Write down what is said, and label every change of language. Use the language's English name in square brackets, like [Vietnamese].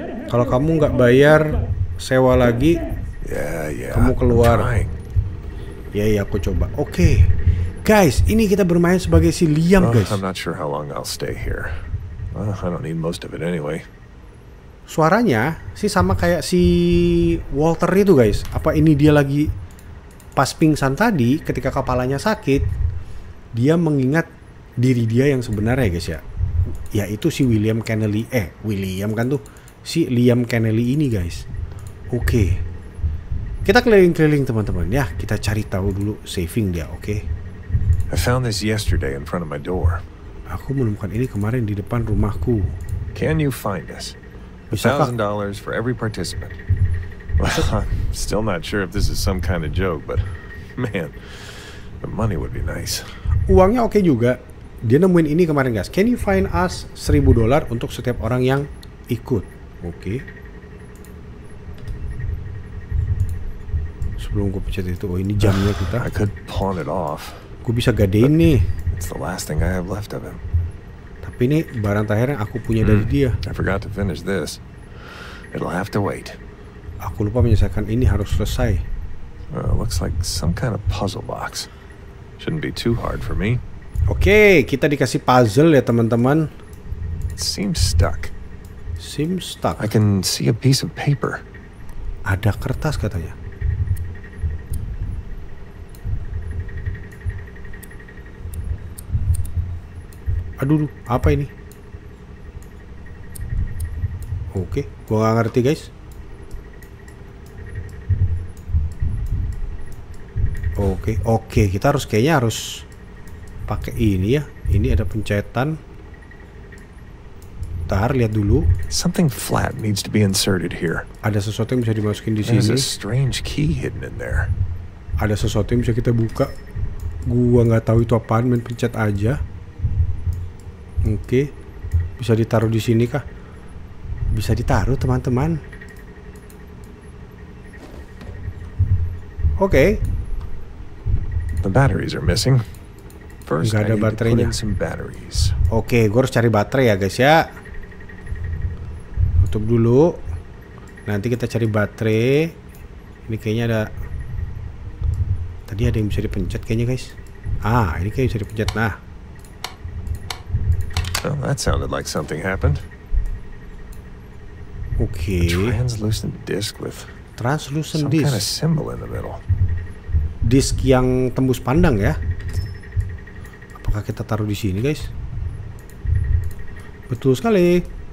[Indonesian] Kalau kamu nggak bayar sewa lagi, kamu keluar. Iya, aku coba. Oke. Guys, ini kita bermain sebagai si Liam, guys. [English] I'm not sure how long I'll stay here. I don't need most of it anyway. [Indonesian] Suaranya sih sama kayak si Walter itu, guys. Apa ini dia lagi pas pingsan tadi ketika kepalanya sakit, dia mengingat diri dia yang sebenarnya, guys ya. Yaitu si William Kennelly. William kan tuh. Si Liam Kennelly ini, guys. Oke. Kita keliling-keliling, teman-teman. Ya, kita cari tahu dulu saving dia, oke. [English] I found this yesterday in front of my door. [Indonesian] Aku menemukan ini kemarin di depan rumahku. [English] Can you find us? $1,000 for every participant. Well, I'm still not sure if this is some kind of joke, but man, the money would be nice. [Indonesian] Uangnya oke juga. Dia nemuin ini kemarin, guys. Can you find us $1,000 untuk setiap orang yang ikut? Oke. Sebelum gue pencet itu, oh ini jamnya kita. [English] I could pawn it off. [Indonesian] Gue bisa gadein nih. [English] It's the last thing I have left of him. [Indonesian] Tapi ini barang terakhir yang aku punya dari dia. [English] I forgot to finish this. It'll have to wait. [Indonesian] Aku lupa menyelesaikan ini, harus selesai. [English] Looks like some kind of puzzle box. Shouldn't be too hard for me. [Indonesian] Oke, kita dikasih puzzle ya, teman-teman. [English] Seems stuck. I can see a piece of paper. [Indonesian] Ada kertas katanya. Aduh, apa ini? Oke, gua gak ngerti, guys. Oke, kita harus kayaknya harus pakai ini ya. Ini ada pencetan. Bentar, lihat dulu. [English] Something flat needs to be inserted here. [Indonesian] Ada sesuatu yang bisa dimasukin di sini. [English] There's a strange key hidden in there. [Indonesian] Ada sesuatu yang bisa kita buka. Gua nggak tahu itu apaan, main pencet aja. Oke, bisa ditaruh di sini kah? Bisa ditaruh, teman-teman. Oke. [English] The batteries are missing. [Indonesian] First, nggak ada baterainya. Oke, gue harus cari baterai ya, guys ya. Tutup dulu. Nanti kita cari baterai. Ini kayaknya ada. Tadi ada yang bisa dipencet kayaknya, guys. Ah, ini kayak bisa dipencet. Nah. [English] Well, that sounded like something happened. Okay. A translucent disc with translucent some disc. Kind of symbol in the middle. [Indonesian] Disk yang tembus pandang ya. Apakah kita taruh di sini, guys? Betul sekali.